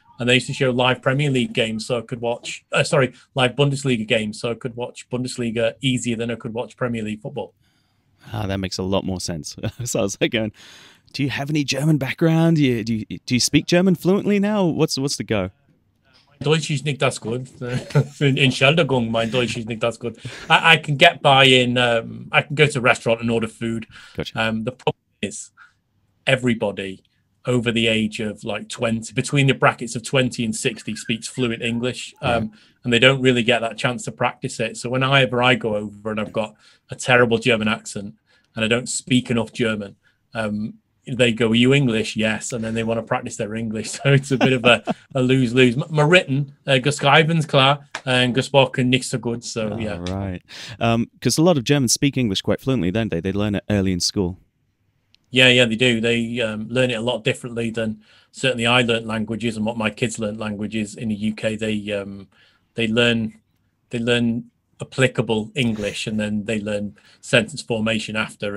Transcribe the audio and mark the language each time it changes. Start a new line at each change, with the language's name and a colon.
English: And they used to show live Premier League games, so I could watch, live Bundesliga games, so I could watch Bundesliga easier than I could watch Premier League football. Ah, that makes a lot more sense. So I was like going, do you have any German background? Do you speak German fluently now? What's the go?
German: Deutsch ist nicht das gut. In Schilderung, mein Deutsch ist nicht das gut.
English: I can get by in, I can go to a restaurant and order food. Gotcha. The problem is, everybody over the age of like 20, between the brackets of 20 and 60, speaks fluent English, and they don't really get that chance to practice it. So whenever I go over and I've got a terrible German accent and I don't speak enough German, they go, are you English? Yes. And then they want to practice their English. So it's a bit of a lose-lose. My written,
German: geschrieben ist klar, and gesprochen nicht so gut.
English: So yeah. All right. Because a lot of Germans speak English quite fluently, don't they? They learn it early in school. Yeah, they do. They learn it a lot differently than certainly I learnt languages and what my kids learnt languages in the UK. They learn applicable English, and then they learn sentence formation after.